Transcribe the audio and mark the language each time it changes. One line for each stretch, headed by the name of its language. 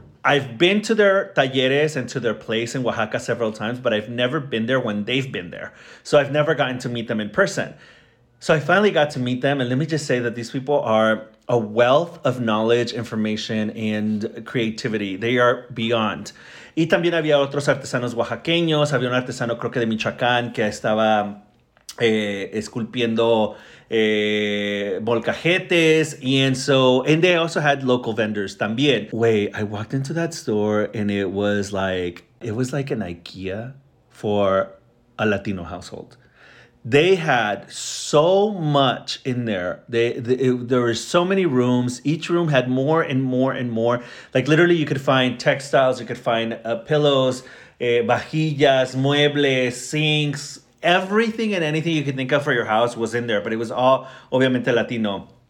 English: I've been to their talleres and to their place in Oaxaca several times, but I've never been there when they've been there. So I've never gotten to meet them in person. So I finally got to meet them. And let me just say that these people are a wealth of knowledge, information, and creativity. They are beyond.
Spanish: Y también había otros artesanos oaxaqueños. Había un artesano, creo que de Michoacán, que estaba esculpiendo molcajetes.
English: And they also had local vendors también. Wait, I walked into that store and it was like an IKEA for a Latino household. They had so much in there. There were so many rooms. Each room had more and more and more. Like literally you could find textiles, you could find pillows,
Spanish: vajillas, muebles,
English: sinks, everything and anything you could think of for your house was in there, but it was all obviamente Latino.